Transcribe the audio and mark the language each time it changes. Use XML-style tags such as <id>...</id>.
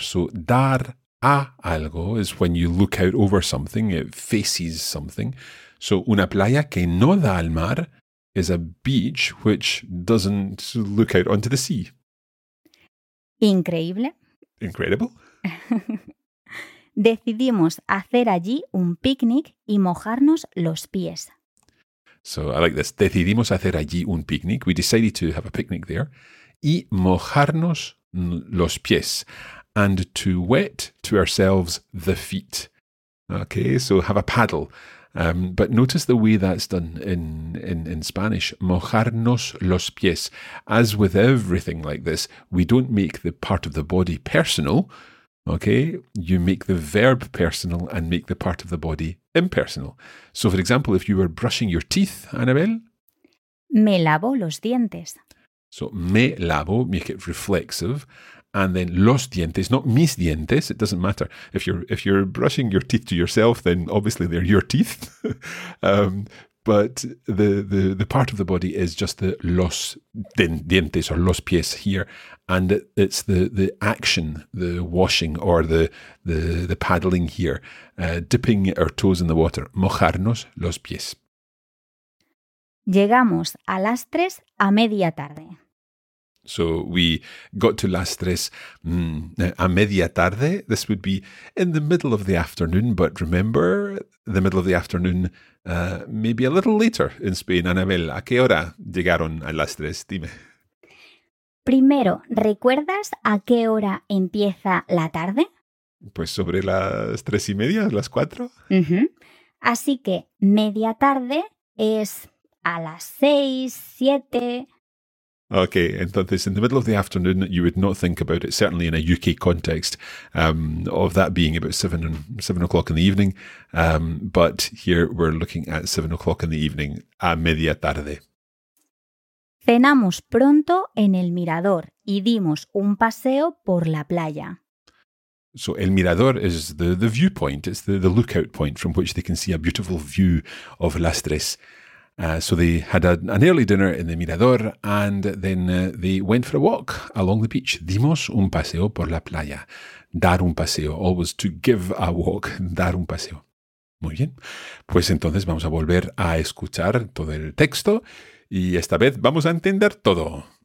<en>So</en> <es>dar a algo</es> <en>is when you look out over something, it faces something. So</en> <es>una playa que no da al mar</es> <en>is a beach which doesn't look out onto the sea.</en> <es>Increíble.</es> <en>Incredible.</en> <es>Decidimos hacer allí un picnic y mojarnos los pies.</es> <en>So, I like this.</en> <es>Decidimos hacer allí un picnic.</es> <en>We decided to have a picnic there.</en> <es>Y mojarnos los pies.</es> <en>And to wet to ourselves the feet. Okay, so have a paddle. But notice the way that's done in Spanish.</en> <es>Mojarnos los pies.</es> <en>As with everything like this, we don't make the part of the body personal. Okay, you make the verb personal and make the part of the body impersonal. So, for example, if you were brushing your teeth, Anabel.</en> <es>Me lavo los dientes.</es> <en>So, me lavo, make it reflexive. And then</en> <es>los dientes,</es> <en>not</en> <es>mis dientes,</es> <en>it doesn't matter. If you're brushing your teeth to yourself, then obviously they're your teeth. but the part of the body is just the</en> <es>los dientes</es> <en>or</en> <es>los pies</es> <en>here. And it's the action, the washing or the paddling here, dipping our toes in the water.</en> <es>Mojarnos los pies. Llegamos a las tres a media tarde.</es> <en>So we got to Las Tres</en> <es>a media tarde.</es> <en>This would be in the middle of the afternoon, but remember, the middle of the afternoon, maybe a little later in Spain.</en> <es>Anabel, ¿a qué hora llegaron a Las Tres? Dime. Primero, ¿recuerdas a qué hora empieza la tarde? Pues sobre las 3:30, las 4. Uh-huh. Así que media tarde es a las 6, 7.</es> <en>Okay, entonces in the middle of the afternoon, you would not think about it, certainly in a UK context, of that being about 7 o'clock in the evening. But here we're looking at 7 o'clock in the evening,</en> <es>a media tarde. Cenamos pronto en el mirador y dimos un paseo por la playa.</es> <en>So el mirador is the viewpoint, it's the lookout point from which they can see a beautiful view of Las Tres. So they had an early dinner in the mirador and then they went for a walk along the beach.</en> <es>Dimos un paseo por la playa. Dar un paseo,</es> <en>always to give a walk,</en> <es>dar un paseo. Muy bien, pues entonces vamos a volver a escuchar todo el texto y esta vez vamos a entender todo.</es>